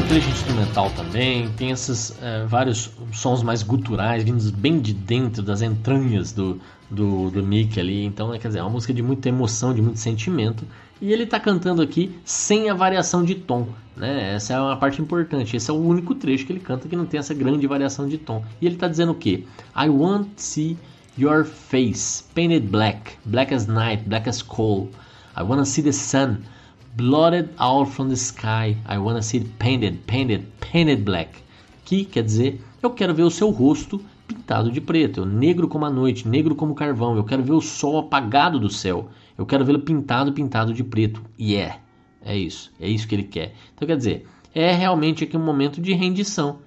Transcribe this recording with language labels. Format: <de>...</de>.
<pt>Instrumental também, tem esses vários sons mais guturais, vindos bem de dentro, das entranhas do Mick ali. Então, quer dizer, é uma música de muita emoção, de muito sentimento, e ele tá cantando aqui sem a variação de tom, né? Essa é uma parte importante, esse é o único trecho que ele canta que não tem essa grande variação de tom. E ele tá dizendo o quê?</pt> <en>"I want to see your face painted black, black as night, black as coal. I want to see the sun blotted out from the sky. I wanna see it painted black."</en> <pt>Que quer dizer: eu quero ver o seu rosto pintado de preto, negro como a noite, negro como carvão. Eu quero ver o sol apagado do céu. Eu quero vê-lo pintado de preto. Yeah, é isso que ele quer. Então quer dizer, é realmente aqui um momento de rendição.</pt>